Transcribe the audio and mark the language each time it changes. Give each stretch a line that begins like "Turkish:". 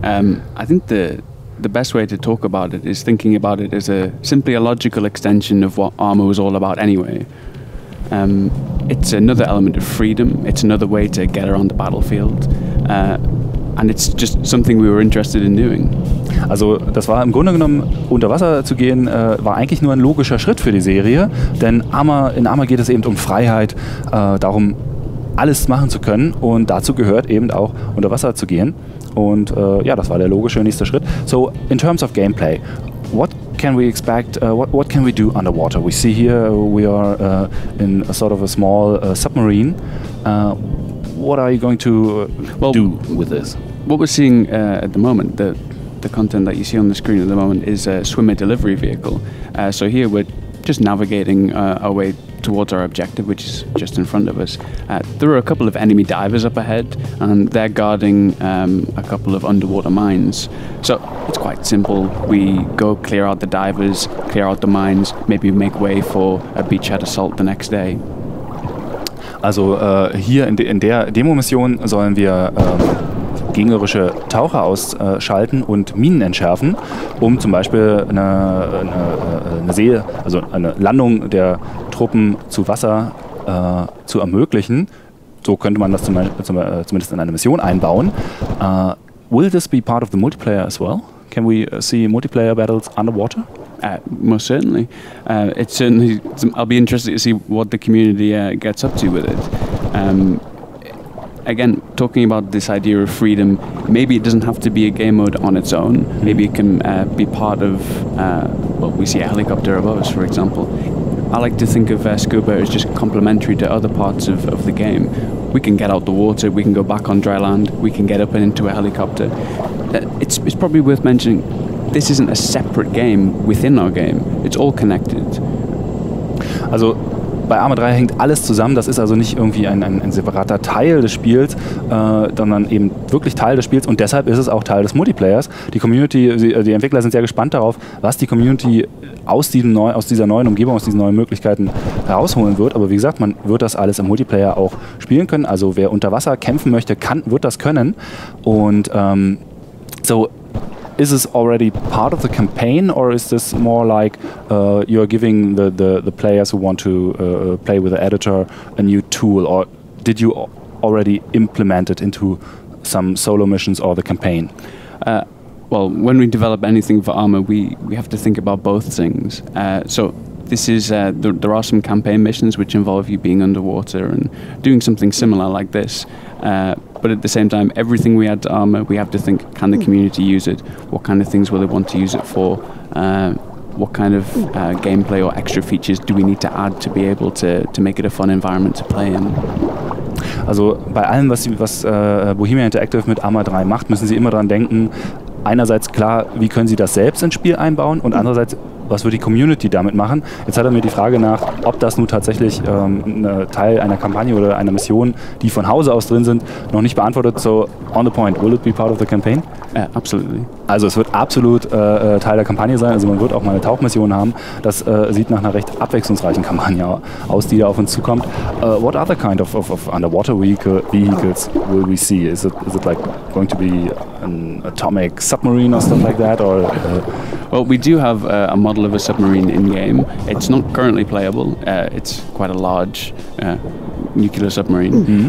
English: I think the best way to talk about it is thinking about it as simply a logical extension of what Arma was all about anyway. It's another element of freedom. It's another way to get around the battlefield. And it's just something we were interested in doing.
German: Also das war im Grunde genommen, unter Wasser zu gehen, war eigentlich nur ein logischer Schritt für die Serie. Denn in Arma geht es eben um Freiheit, darum alles machen zu können. Und dazu gehört eben auch, unter Wasser zu gehen. Und ja, das war der logische nächste Schritt.
English: So, in terms of gameplay, what can we expect, what can we do underwater? We see here we are in a sort of a small submarine. What are you going to do with this? What we're seeing at the moment, the content that you see on the screen at the moment, is a swimmer delivery vehicle. So here we're just navigating our way towards our objective, which is just in front of us. There are a couple of enemy divers up ahead, and they're guarding a couple of underwater mines. So it's quite simple. We go clear out the divers, clear out the mines, maybe make way for a beachhead assault the next day.
German: Also hier in der Demo-Mission sollen wir gegnerische Taucher ausschalten und Minen entschärfen, um zum Beispiel eine Landung der Truppen zu Wasser zu ermöglichen. So könnte man das zumindest in eine Mission einbauen.
English: Will this be part of the multiplayer as well? Can we see multiplayer battles underwater? Most certainly. I'll be interested to see what the community gets up to with it. Again, talking about this idea of freedom, maybe it doesn't have to be a game mode on its own. Maybe it can be part of, we see a helicopter above us, for example. I like to think of scuba as just complementary to other parts of the game. We can get out the water, we can go back on dry land, we can get up and into a helicopter. It's probably worth mentioning, this isn't a separate game within our game. It's all connected.
German: Also bei Arma 3 hängt alles zusammen. Das ist also nicht irgendwie ein separater Teil des Spiels, sondern eben wirklich Teil des Spiels. Und deshalb ist es auch Teil des Multiplayers. Die Community, die Entwickler sind sehr gespannt darauf, was die Community aus dieser neuen Umgebung, aus diesen neuen Möglichkeiten herausholen wird. Aber wie gesagt, man wird das alles im Multiplayer auch spielen können. Also wer unter Wasser kämpfen möchte, wird das können.
English: Und is this already part of the campaign, or is this more like you're giving the players who want to play with the editor a new tool, or did you already implement it into some solo missions or the campaign? Well, when we develop anything for Arma, we have to think about both things. This is there are some campaign missions which involve you being underwater and doing something similar like this. But at the same time, everything we add to Arma, we have to think, can the community use it? What kind of things will they want to use it for? What kind of gameplay or extra features do we need to add to be able to make it a fun environment to play in?
German: Also bei allem, was Bohemia Interactive mit Arma 3 macht, müssen Sie immer daran denken, einerseits klar, wie können Sie das selbst ins Spiel einbauen, und andererseits, was wird die Community damit machen? Jetzt hat er mir die Frage nach, ob das nun tatsächlich Teil einer Kampagne oder einer Mission, die von Hause aus drin sind, noch nicht beantwortet.
English: So, on the point, will it be part of the campaign? Absolutely.
German: Also es wird absolut Teil der Kampagne sein. Also man wird auch mal eine Tauchmission haben. Das sieht nach einer recht abwechslungsreichen Kampagne aus, die da auf uns zukommt.
English: What other kind of underwater vehicles will we see? Is it like going to be an atomic submarine or stuff like that? Or, well, we do have a model of a submarine in-game. It's not currently playable. It's quite a large nuclear submarine. Mm-hmm.